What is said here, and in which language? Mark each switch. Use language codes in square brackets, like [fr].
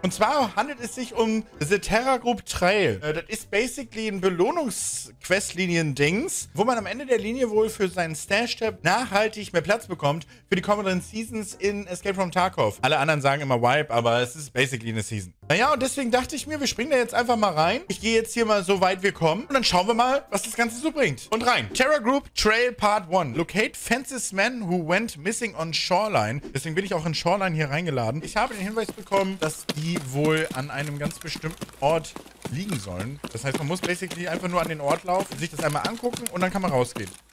[de] Und zwar handelt es sich um The Terra Group Trail. Das ist basically ein Belohnungs-Questlinien-Dings, wo man am Ende der Linie wohl für seinen Stash-Tab nachhaltig mehr Platz bekommt für die kommenden Seasons in Escape from Tarkov. Alle anderen sagen immer Wipe, aber es ist basically eine Season. Naja, und deswegen dachte ich mir, wir springen da jetzt einfach mal rein. Ich gehe jetzt hier mal so weit wir kommen und dann schauen wir mal, was das Ganze so bringt. Und rein. Terra Group Trail Part 1. [en] Locate Fences Man who went missing on Shoreline. [de] Deswegen bin ich auch in Shoreline hier reingeladen. Ich habe den Hinweis bekommen, dass die wohl an einem ganz bestimmten Ort liegen sollen. Das heißt, man muss basically einfach nur an den Ort laufen, sich das einmal angucken und dann kann man rausgehen.